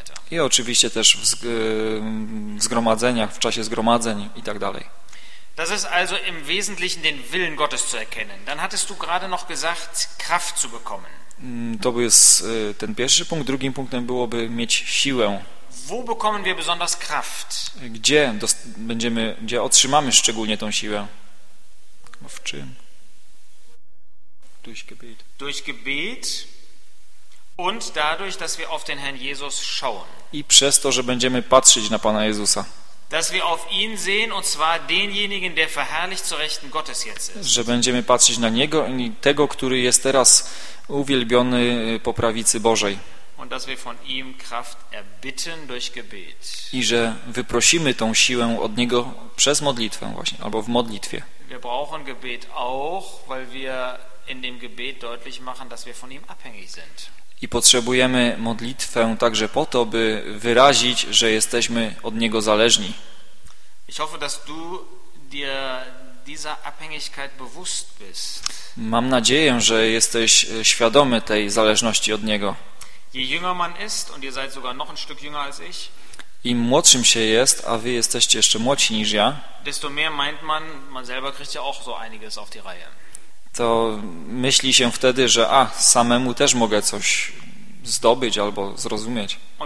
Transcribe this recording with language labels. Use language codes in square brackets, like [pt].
[pl] I oczywiście też w zgromadzeniach, w czasie zgromadzeń i tak dalej. [de] Das ist also im Wesentlichen den Willen Gottes zu erkennen. Dann hattest du gerade noch gesagt, Kraft zu bekommen. [pl] To jest ten pierwszy punkt. Drugim punktem byłoby mieć siłę. [de] Wo bekommen wir besonders Kraft? [pl] Gdzie będziemy, gdzie otrzymamy szczególnie tą siłę? W czym? [de] Durch Gebet. Durch Gebet und dadurch, dass wir auf den Herrn Jesus schauen. [pl] I przez to, że będziemy patrzeć na Pana Jezusa. [de] Dass wir auf ihn sehen und zwar denjenigen, der verherrlicht zu Rechten Gottes jetzt ist. [pl] Że będziemy patrzeć na niego i tego, który jest teraz uwielbiony po prawicy Bożej. [de] Und dass wir von ihm Kraft erbitten durch Gebet. [pl] I że wyprosimy tą siłę od niego przez modlitwę właśnie, albo w modlitwie. [de] Wir brauchen Gebet auch, weil wir in dem Gebet deutlich machen, dass wir von ihm abhängig sind. [pl] I potrzebujemy modlitwę także po to, by wyrazić, że jesteśmy od Niego zależni. [de] Ich hoffe, dass du dir dieser Abhängigkeit bewusst bist. [pl] Mam nadzieję, że jesteś świadomy tej zależności od Niego. [de] Je jünger man ist, und ihr seid sogar noch ein Stück jünger als ich, [pl] im młodszym się jest, a wy jesteście jeszcze młodsi niż ja, [de] desto mehr meint man, man selber kriegt ja auch so einiges auf die Reihe. [pl] To myśli się wtedy, że a, samemu też mogę coś zdobyć albo zrozumieć.